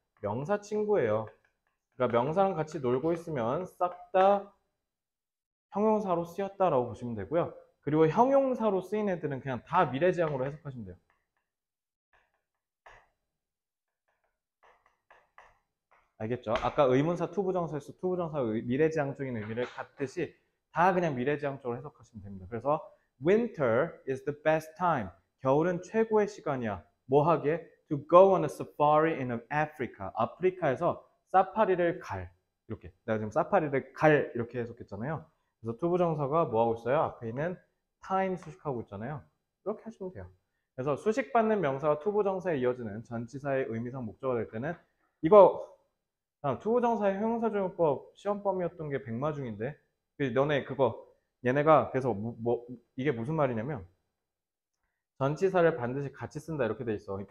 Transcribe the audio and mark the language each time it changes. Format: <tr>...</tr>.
<ko>명사 친구예요. 그러니까 명사랑 같이 놀고 있으면 싹다 형용사로 쓰였다라고 보시면 되고요. 그리고 형용사로 쓰인 애들은 그냥 다 미래지향으로 해석하시면 돼요. 알겠죠? 아까 의문사 투부정사에서 투부정사 미래지향 적인 의미를 같듯이 다 그냥 미래지향적으로 해석하시면 됩니다. 그래서</ko> <en>winter is the best time.</en> <ko>겨울은 최고의 시간이야. 뭐 하게?</ko> <en>To go on a safari in Africa.</en> <ko>아프리카에서 사파리를 갈. 이렇게. 내가 지금 사파리를 갈 이렇게 해석했잖아요. 그래서 투부정사가 뭐 하고 있어요? 앞에 있는 time 수식하고 있잖아요. 이렇게 하시면 돼요. 그래서 수식받는 명사와 투부정사에 이어지는 전치사의 의미상 목적어가 될 때는 이거 투부정사의 형용사적용법 시험범이었던 게 백마중인데 너네 그거 얘네가 그래서 이게 무슨 말이냐면 전치사를 반드시 같이 쓴다 이렇게 돼 있어.</ko>